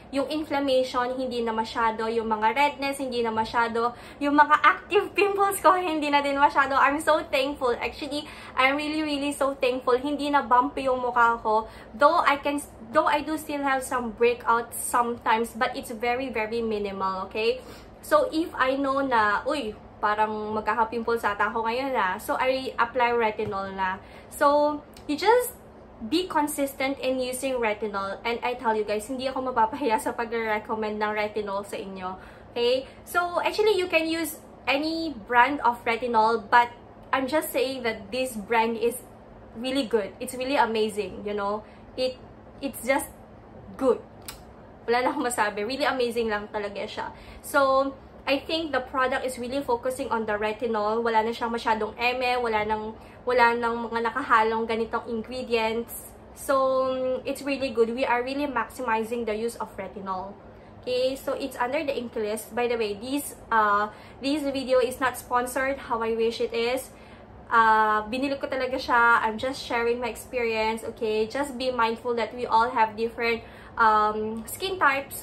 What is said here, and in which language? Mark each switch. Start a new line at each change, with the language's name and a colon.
Filipino: Yung inflammation, hindi na masyado. Yung mga redness, hindi na masyado. Yung mga active pimples ko, hindi na din masyado.
English: I'm so thankful. Actually, I'm really, really so thankful.
Filipino: Hindi na bumpy yung mukha ko.
English: Though I do still have some breakouts sometimes, but it's very, very minimal, okay? So, if I know
Filipino: na, uy, parang magkaka-pimples sa ako ngayon na,
English: so I apply retinol
Filipino: na.
English: So, you just be consistent in using retinol. And I tell you guys,
Filipino: hindi ako mapapahiya sa pag-recommend ng retinol sa inyo.
English: Okay? So, actually, you can use any brand of retinol. But I'm just saying that this brand is really good. It's really amazing, you know? It's just good.
Filipino: Wala na akong masabi.
English: Really amazing
Filipino: lang talaga siya.
English: So, I think the product is really focusing on the retinol.
Filipino: Wala na siyang masyadong eme. Wala nang mga nakahalong ganitong ingredients.
English: So, it's really good. We are really maximizing the use of retinol. Okay, so it's under the Inkey List. By the way, this video is not sponsored how I wish it is.
Filipino: Binili ko talaga siya.
English: I'm just sharing my experience. Okay, just be mindful that we all have different skin types.